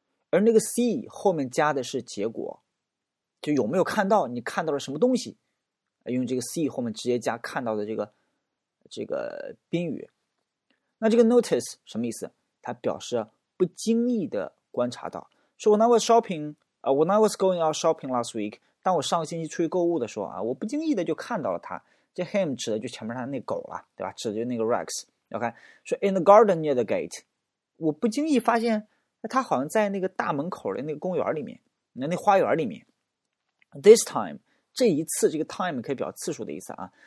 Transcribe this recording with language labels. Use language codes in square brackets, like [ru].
[zh] 而那个 see 后面加的是结果，就有没有看到，你看到了什么东西，用这个 see 后面直接加看到的这个宾语。那这个 notice 什么意思？它表示不经意的观察到。 [en] 说 when I was going out shopping last week。 [zh] 当我上个星期出去购物的时候啊，我不经意的就看到了他。这 him 指的就前面他那狗了，对吧？指的就那个 Rex。OK， 说 [en] in the garden near the gate， [zh] 我不经意发现他好像在那个大门口的那个公园里面，那花园里面。 This time， 这一次这个 time 可以表次数的意思啊。